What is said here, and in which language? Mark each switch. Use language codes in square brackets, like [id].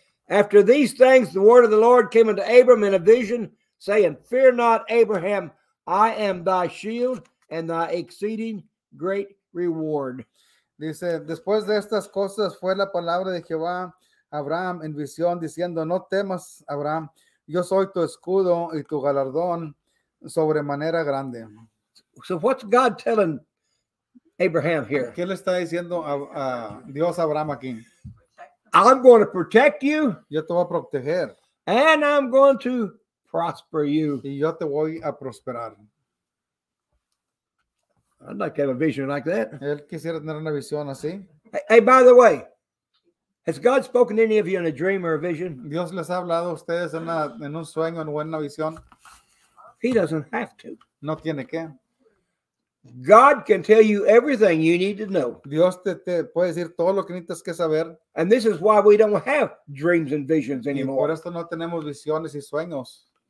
[en] After these things, the word of the Lord came unto Abram in a vision, saying, fear not, Abraham, I am thy shield and thy exceeding great reward. [es] Dice, después de estas cosas fue la palabra de Jehová a Abraham en visión, diciendo, no temas, Abraham, yo soy tu escudo y tu galardón sobremanera grande. [en] So what's God telling Abraham here? [es] ¿Qué le está diciendo a Dios a Abraham aquí? [en] I'm going to protect you. [es] Yo te voy a proteger. [en] And I'm going to prosper you. [es] Y yo te voy a prosperar. [en] I'd like to have a vision like that. [es] Él quisiera tener una visión así. [en] Hey, by the way, has God spoken to any of you in a dream or a vision? [es] Dios les ha hablado a ustedes en un sueño o en una visión. [en] He doesn't have to. [es] No tiene que. [en] God can tell you everything you need to know. [es] Dios te puede decir todo lo que necesitas que saber. [en] And this is why we don't have dreams and visions anymore. [es] Y por esto no tenemos visiones y sueños.